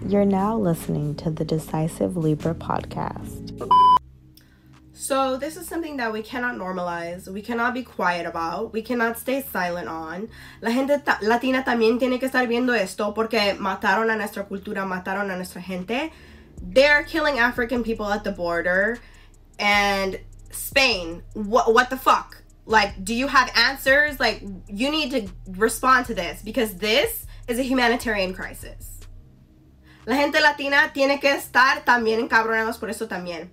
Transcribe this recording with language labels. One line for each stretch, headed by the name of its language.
English: You're now listening to the Decisive Libra podcast. So this is something that we cannot normalize. We cannot be quiet about. We cannot stay silent on.
Spanish: La gente latina también tiene que estar viendo esto porque mataron a nuestra cultura, mataron a nuestra gente.
English: They are killing African people at the border. And Spain, what the fuck? Like, do you have answers? Like, you need to respond to this because this is a humanitarian crisis.
Spanish: La gente latina tiene que estar también encabronados por eso también.